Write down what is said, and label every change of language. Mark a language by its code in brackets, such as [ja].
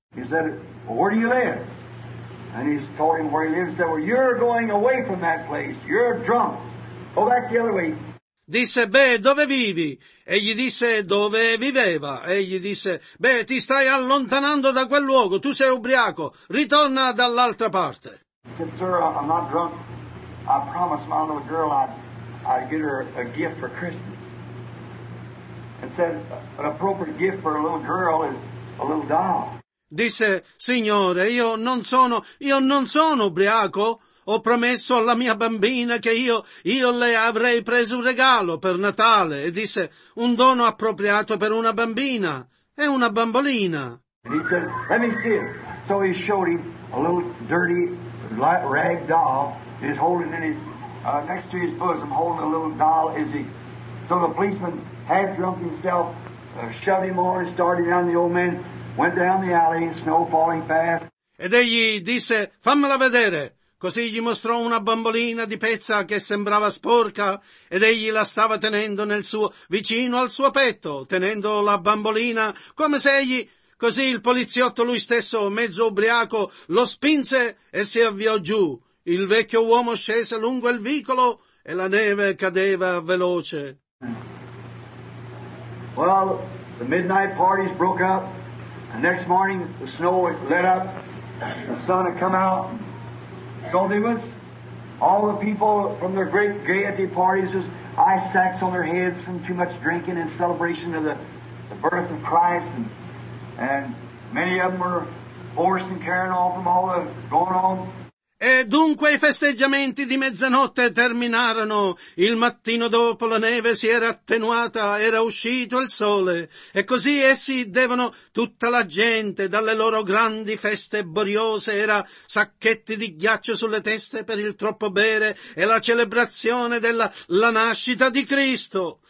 [en] He said, well, where do you live? And he told him where he lives. He said, well, you're going away from that place. You're drunk. Go back the other way. [it] Disse, beh, dove vivi? E gli disse, dove viveva? E gli disse, beh, ti stai allontanando da quel luogo, tu sei ubriaco, ritorna dall'altra parte. [en] He said, sir, I'm not drunk. I promised my little girl I'd get her a gift for Christmas. And said, an appropriate gift for a little girl is a little doll. [it] Disse, signore, io non sono ubriaco. Ho promesso alla mia bambina che io le avrei preso un regalo per Natale. E disse, un dono appropriato per una bambina. È una bambolina. [en] And he said, let me see it. So he showed him a little dirty rag doll. He's holding in his, next to his bosom, holding a little doll. Is he? So the policeman, half drunk himself, shoved him on and started down the old man. Went down the alley, snow falling fast. [it] Ed egli disse, fammela vedere. Così gli mostrò una bambolina di pezza che sembrava sporca ed egli la stava tenendo nel suo vicino al suo petto, tenendo la bambolina come se egli... Così il poliziotto lui stesso, mezzo ubriaco, lo spinse e si avviò giù. Il vecchio uomo scese lungo il vicolo e la neve cadeva veloce. [en] Well, the midnight parties broke up. The next morning the snow let up. The sun had come out. So there was all the people from their great gaiety parties with ice sacks on their heads from too much drinking in celebration of the birth of Christ, and many of them were hoarse and carrying on from all the going on. [it] E dunque i festeggiamenti di mezzanotte terminarono. Il mattino dopo la neve si era attenuata, era uscito il sole. E così essi devono tutta la gente dalle loro grandi feste boriose. Era sacchetti di ghiaccio sulle teste per il troppo bere e la celebrazione della la nascita di Cristo.